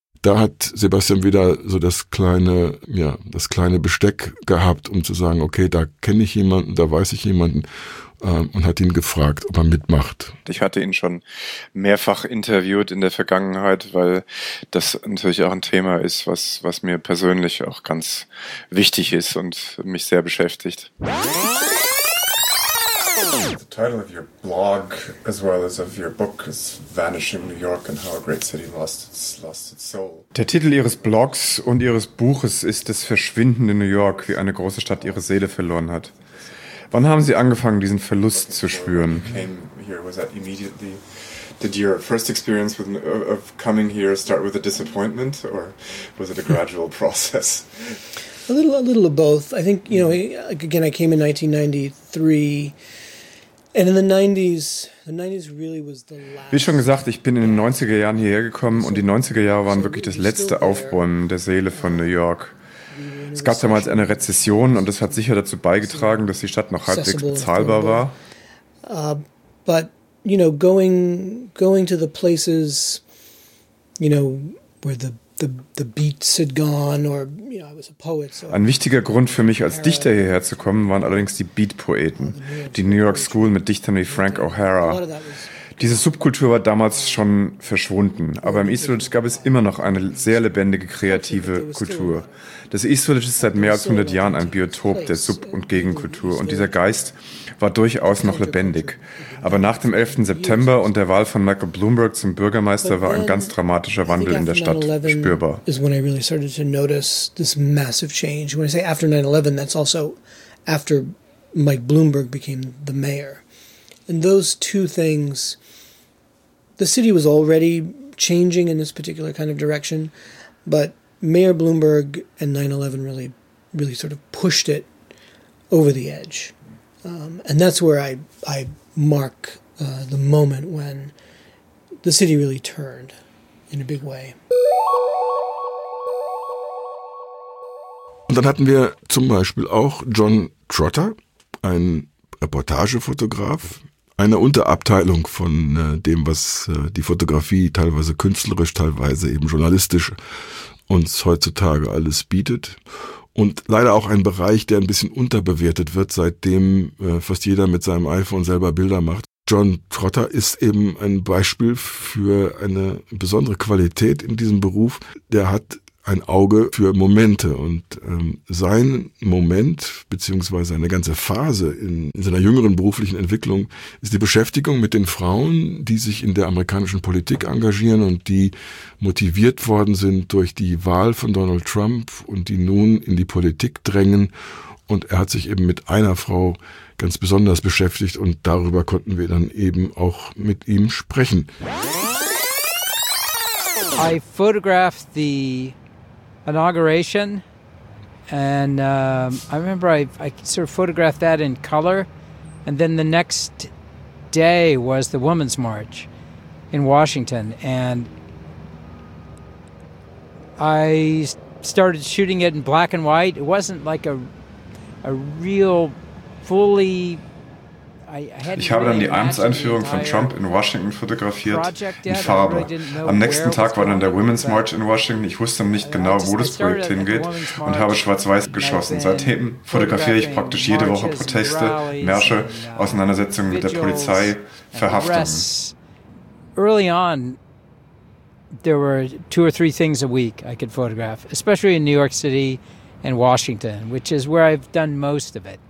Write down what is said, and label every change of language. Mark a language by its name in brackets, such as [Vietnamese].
[German] Da hat Sebastian wieder so das kleine Besteck gehabt, um zu sagen, okay, da kenne ich jemanden, da weiß ich jemanden, und hat ihn gefragt, ob er mitmacht. Ich hatte ihn schon mehrfach interviewt in der Vergangenheit, weil das natürlich auch ein Thema ist, was mir persönlich auch ganz wichtig ist und mich sehr beschäftigt. [English] The title of your blog, as well as of your book, is "Vanishing New York and How a Great City Lost its Soul." [German] Der Titel Ihres Blogs und Ihres Buches ist "Das verschwindende New York, wie eine große Stadt ihre Seele verloren hat." Wann haben Sie angefangen, diesen Verlust zu spüren? [English] Came here, was that immediately? Did your first experience with of coming here start with a disappointment, or was it a gradual process? A little of both. I think, you know, again, I came in 1993. And in the 90s really was the last. [German] Wie schon gesagt, ich bin in den 90er Jahren hierher gekommen und die 90er Jahre waren wirklich das letzte Aufbäumen der Seele von New York. Es gab damals eine Rezession und das hat sicher dazu beigetragen, dass die Stadt noch halbwegs bezahlbar war. [English] But you know, going to the places, you know, where the beats had gone, or, you know, I was a poet, so. [German] Ein wichtiger Grund für mich, als Dichter hierher zu kommen, waren allerdings die Beat-Poeten, die New York School mit Dichtern wie Frank O'Hara. Diese Subkultur war damals schon verschwunden, aber im East Village gab es immer noch eine sehr lebendige, kreative Kultur. Das East Village ist seit mehr als 100 Jahren ein Biotop der Sub- und Gegenkultur und dieser Geist war durchaus noch lebendig. Aber nach dem 11. September und der Wahl von Michael Bloomberg zum Bürgermeister war ein ganz dramatischer Wandel in der Stadt spürbar. [English] Is when I really started to notice this massive change. When I say after 9/11, that's also after Mike Bloomberg became the mayor. And those two things, the city was already changing in this particular kind of direction, but Mayor Bloomberg and 9/11 really, really sort of pushed it over the edge. And that's where I mark the moment when the city really turned in a big way. [German] Und dann hatten wir zum Beispiel auch John Trotter, ein Reportagefotograf, eine Unterabteilung von dem, was die Fotografie teilweise künstlerisch, teilweise eben journalistisch uns heutzutage alles bietet. Und leider auch ein Bereich, der ein bisschen unterbewertet wird, seitdem fast jeder mit seinem iPhone selber Bilder macht. John Trotter ist eben ein Beispiel für eine besondere Qualität in diesem Beruf. Der hat ein Auge für Momente und sein Moment bzw. eine ganze Phase in seiner jüngeren beruflichen Entwicklung ist die Beschäftigung mit den Frauen, die sich in der amerikanischen Politik engagieren und die motiviert worden sind durch die Wahl von Donald Trump und die nun in die Politik drängen. Und er hat sich eben mit einer Frau ganz besonders beschäftigt und darüber konnten wir dann eben auch mit ihm sprechen. [English] I photographed the inauguration, and I remember I sort of photographed that in color, and then the next day was the Women's March in Washington, and I started shooting it in black and white. It wasn't like a real fully. [German] Ich habe dann die Amtseinführung von Trump in Washington fotografiert, in Farbe. Am nächsten Tag war dann der Women's March in Washington. Ich wusste nicht genau, wo das Projekt hingeht und habe schwarz-weiß geschossen. Seitdem fotografiere ich praktisch jede Woche Proteste, Märsche, Auseinandersetzungen mit der Polizei, Verhaftungen. [English] Early on, there were two or three things a week I could photograph, especially in New York City and Washington, which is where I've done most of it.